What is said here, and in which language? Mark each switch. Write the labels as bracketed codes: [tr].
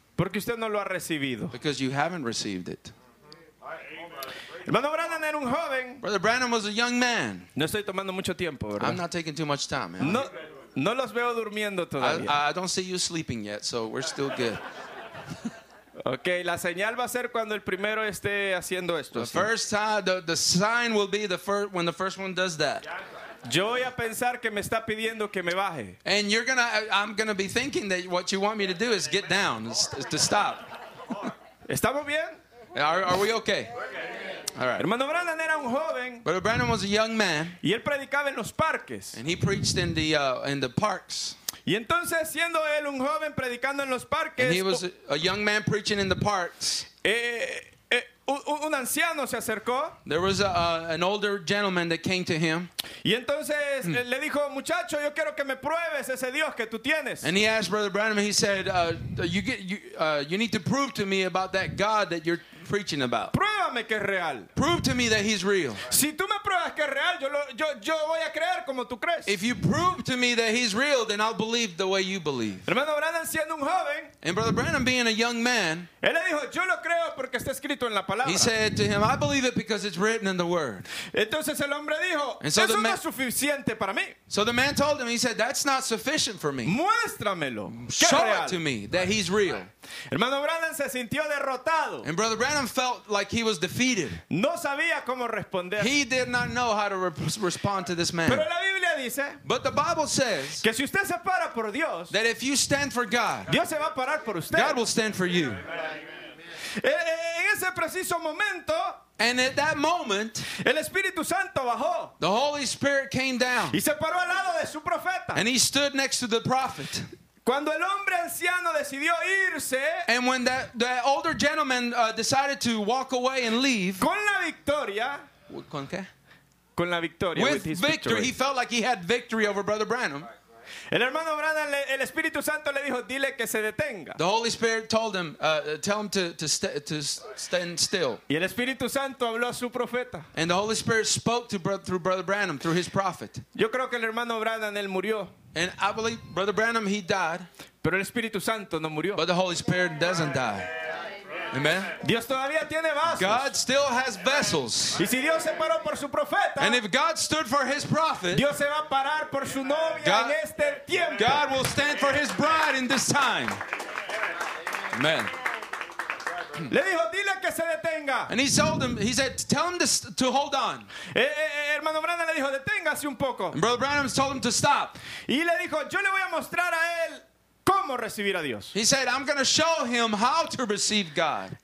[es] Porque usted no lo ha recibido. [en] Because you haven't received it. [es] Hermano Brandon era un joven. [en] Brother Branham was a young man. [es] No estoy tomando mucho tiempo, ¿verdad? [en] I'm not taking too much time. [es] No, no los veo durmiendo todavía. [en] I don't see you sleeping yet, so we're still good. [es] Okay, la señal va a ser cuando el primero esté haciendo esto. [en] The first time, the sign will be when the first one does that. [es] Yo voy a pensar que me está pidiendo que me baje. [en] And you're gonna, I'm gonna be thinking that what you want me to do is get down, to stop. [es] ¿Estamos bien? [en] Are we okay? All right. [es] Hermano Brandon era un joven. [en] Brother Brandon was a young man. [es] Y él predicaba en los parques. [en] And he preached in the parks. [es] Y entonces siendo él un joven predicando en los parques, [en] and he was a young man preaching in the parks. [es] Un anciano se acercó. [en] There was an older gentleman that came to him. [es] Y entonces le dijo, muchacho, yo quiero que me pruebes ese Dios que tú tienes. [en] And he asked Brother Branham, he said, you need to prove to me about that God that you're preaching about. [es] Pruébame que es real. [en] Prove to me that he's real. [es] Si tú me pruebas que es real, yo voy a creer como tú crees. [en] If you prove to me that he's real, then I'll believe the way you believe. [es] Hermano Branham siendo un joven, [en] and Brother Branham being a young man, [es] él le dijo, yo lo creo porque está escrito en la palabra. [en] He said to him, I believe it because it's written in the word. [es] Entonces el hombre dijo, eso no es suficiente para mí. [en] So the man told him, he said, that's not sufficient for me. [es] Muéstramelo. [en] Show it to me that he's real. [es] Hermano Branham se sintió derrotado. [en] And Brother Branham felt like he was defeated. [es] No sabía cómo responder. [en] He did not know how to respond to this man. [es] Pero la Biblia dice, [en] but the Bible says, [es] que si usted se para por Dios, [en] that if you stand for God, [es] Dios se va a parar por usted. [en] God will stand for you. [es] En ese preciso momento, [en] and at that moment, [es] el Espíritu Santo bajó. [en] The Holy Spirit came down. [es] Y se paró al lado de su profeta. [en] And he stood next to the prophet. [es] Cuando el hombre anciano decidió irse, [en] and when that older gentleman decided to walk away and leave, [es] con la victoria, ¿con qué? Con la victoria, [en] with his victory, he felt like he had victory over Brother Branham. [es] El hermano Branham, el Espíritu Santo le dijo, dile que se detenga. [en] The Holy Spirit told him, tell him to stand still. [es] Y el Espíritu Santo habló a su profeta. [en] And the Holy Spirit spoke to through Brother Branham, through his prophet. [es] Yo creo que el hermano Branham, él murió. [en] And I believe Brother Branham, he died. [es] Pero el Espíritu Santo no murió. [en] But the Holy Spirit doesn't die. Amen. [es] Dios todavía tiene vasos. [en] God still has vessels. [es] Y si Dios se paró por su profeta, [en] and if God stood for his prophet, [es] Dios se va a parar por su novia God, en este tiempo. [en] God will stand for his bride in this time. Amen. [es] Le dijo, dile que se detenga. [en] And he told him, he said, tell him to hold on. [es] Hermano Branham le dijo, deténgase un poco. [en] And Brother Branham told him to stop. [es] Y le dijo, yo le voy a mostrar a él. ¿Cómo recibir a Dios? [en] He said, I'm going to show him how to receive God.